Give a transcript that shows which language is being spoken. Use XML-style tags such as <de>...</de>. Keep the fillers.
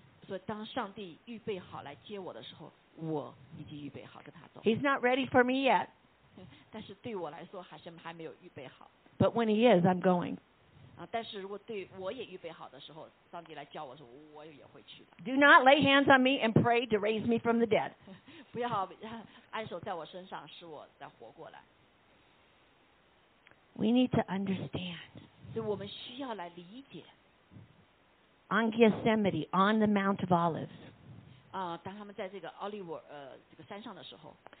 <zh>所以当上帝预备好来接我的时候，我已经预备好跟他走。</zh> <en>He's not ready for me yet。</en> <zh>但是对我来说，还是还没有预备好。</zh> <en>But when he is, I'm going。</en> <zh>啊，但是如果对我也预备好的时候，上帝来叫我说，我也会去的。</zh> <en>Do uh, not lay hands on me and pray to raise me from the dead. dead。</en> <zh>不要按手在我身上，使我再活过来。</zh> <en>We need to understand。</en> <zh>所以我们需要来理解。</zh> <en>On Gethsemane, on the Mount of Olives。</en> <zh>啊，当他们在这个 uh, Olive 呃这个山上的时候</zh>